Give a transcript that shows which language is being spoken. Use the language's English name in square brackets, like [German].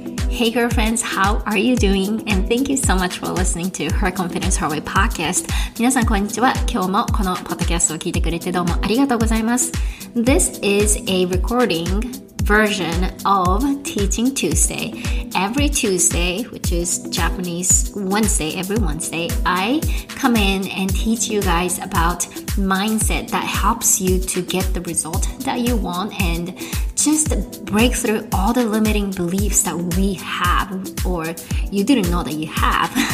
[English] Hey, girlfriends, how are you doing? And thank you so much for listening to Her Confidence Her Way podcast. [Japanese] 皆さん、こんにちは。今日もこのポッドキャストを聞いてくれてどうもありがとうございます。 [English] This is a recording version of Teaching Tuesday. Every Tuesday, which is Japanese Wednesday, every Wednesday, I come in and teach you guys about mindset that helps you to get the result that you want andJust break through all the limiting beliefs that we have, or you didn't know that you have.